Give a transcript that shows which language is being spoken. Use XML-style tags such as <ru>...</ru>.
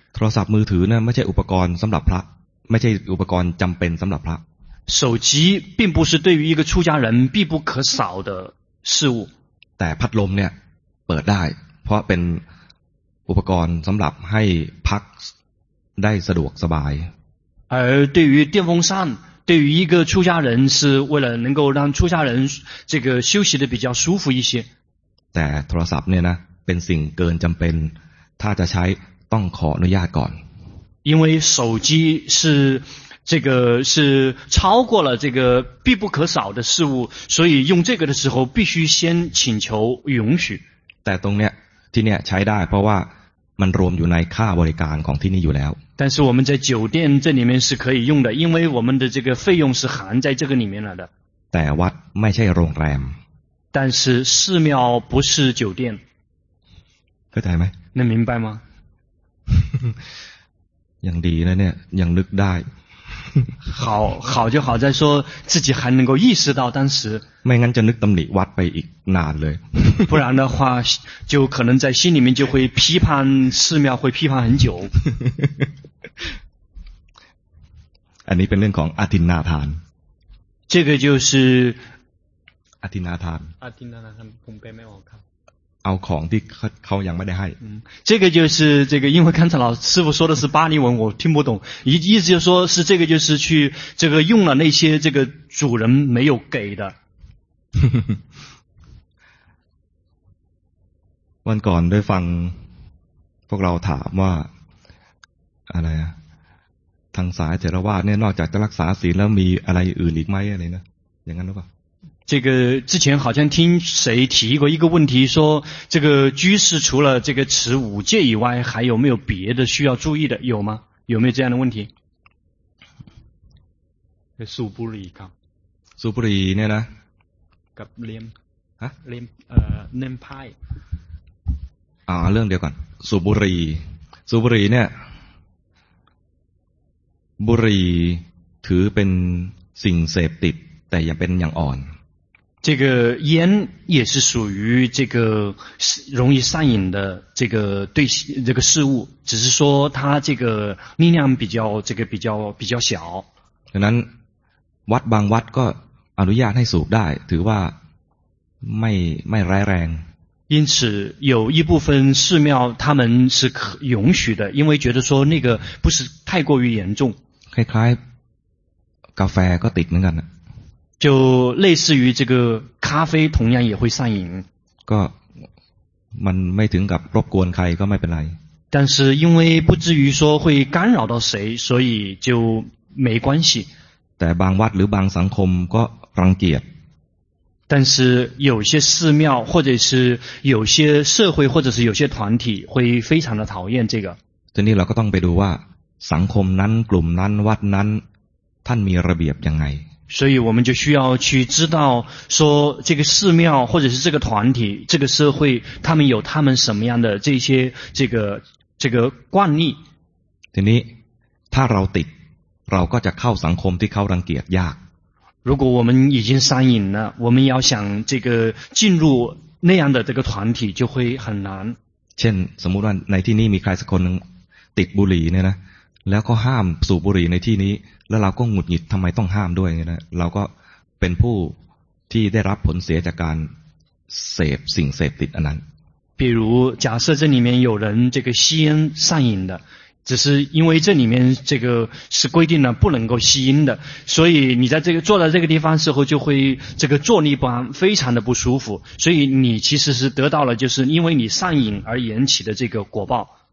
<th>โทรศัพท์มือถือนะไม่ใช่อุปกรณ์สำหรับพระไม่ใช่อุปกรณ์จำเป็นสำหรับพระ</th> <zh>手机并不是对于一个出家人必不可少的事物</zh> <th>แต่พัดลมเนี่ยเปิดได้เพราะเป็นอุปกรณ์สำหรับให้พักได้สะดวกสบาย</th> <zh>而对于电风扇对于一个出家人是为了能够让出家人这个休息的比较舒服一些</zh> <th>แต่โทรศัพท์เนี่ยนะเป็นสิ่งเกินจําเป็นถ้าจะใช้ต้องขออนุญาตก่อน</th> <zh>因为手机是这个是超过了这个必不可少的事物所以用这个的时候必须先请求允许</zh> <th>แต่ตรงเนี้ยที่เนี่ยใช้ได้เพราะว่ามันรวมอยู่ในค่าบริการของที่นี่อยู่แล้ว</th> <zh>但是我们在酒店这里面是可以用的因为我们的这个费用是含在这个里面了的</zh> <th>แต่วัดไม่ใช่โรงแรม</th> <zh>但是寺庙不是酒店</zh> <th>เข้าใจไหม</th> <zh>能明白吗</zh> <th>อย่างดีนะเนี่ยยังนึกได้</th> <zh>好就好在说自己还能够意识到当时</zh> <th>ไม่งั้นจะนึกตำหนิวัดไปอีกนานเลย</th> <zh>不然的话就可能在心里面就会批判寺庙会批判很久</zh> <th>อันนี้เป็นเรื่องของอทินนาทาน</th> <zh>这个就是</zh> <th>อทินนาทาน อทินนาทานผมไปไม่ออกครับ เอาของที่เขายังไม่ได้ให้</th> <zh>这个就是这个因为刚才老师傅说的是巴黎文我听不懂意思就是说是这个就是去这个用了那些这个主人没有给的</zh> <th>วันก่อนได้ฟังพวกเราถามว่าอะไรทางสายเถรวาทเนี่ยนอกจากจะรักษาศีลแล้วมีอะไรอื่นอีกไหมอะไรนะอย่างนั้นหรือเปล่า</th> <zh>这个之前好像听谁提过一个问题，说这个居士除了这个持五戒以外，还有没有别的需要注意的？有吗？有没有这样的问题？苏布里卡，苏布里那呢？</zh> <th>กับเลียม 啊， เลียม เนมพาย 啊，เรื่องเดียวกัน，苏布里，苏布里呢？ บุหรี่ถือเป็นสิ่งเสพติดแต่ยังเป็นอย่างอ่อน</th> <zh>这个烟也是属于这个容易上瘾的这个对这个事物，只是说它这个力量比较这个比较小。</zh> <th>ดังนั้นวัดบางวัดก็อนุญาตให้สูบได้ถือว่าไม่ร้ายแรง</th> <zh>因此有一部分寺庙他们是允许的，因为觉得说那个不是太过于严重。</zh> <th>คล้ายๆกาแฟก็ติดเหมือนกัน</th> <zh>就类似于这个咖啡同样也会上瘾。</zh> <th>ก็มันไม่ถึงกับรบกวนใครก็ไม่เป็นไร。</th> <zh>但是因为不至于说会干扰到谁，所以就没关系。</zh> <th>แต่บางวัดหรือบางสังคมก็รังเกียจ</th> <zh>但是有些寺庙或者是有些社会或者是有些团体会非常的讨厌这个。</zh> <th>ทีนี้เราก็ต้องไปดูว่าสังคมนั้นกลุ่มนั้นวัดนั้นท่านมีระเบียบยังไง</th> <zh>所以我们就需要去知道说这个寺庙或者是这个团体这个社会他们有他们什么样的这些这个惯例。</zh> <th>ทีนี้ถ้าเราติดเราก็จะเข้าสังคมที่เขารังเกียจยาก</th> <zh>如果我们已经上瘾了，我们要想这个进入那样的这个团体就会很难。</zh> <th>เช่นสมมติว่าในที่นี้มีใครสักคนนึงติดบุหรี่เนี่ยนะแล้วก็ห้ามสูบบุหรี่ในที่นี้แล้วเราก็หงุดหงิดทำไมต้องห้ามด้วยเนี่ยนะเราก็เป็นผู้ที่ได้รับผลเสียจากการเสพสิ่งเสพติดอันนั้น。</th> <zh>比如假设这里面有人这个吸烟上瘾的。只是因为这里面这个是规定了不能够吸烟的，所以你在这个坐在这个地方时候就会这个坐立不安，非常的不舒服。所以你其实是得到了，就是因为你上瘾而引起的这个果报。</zh>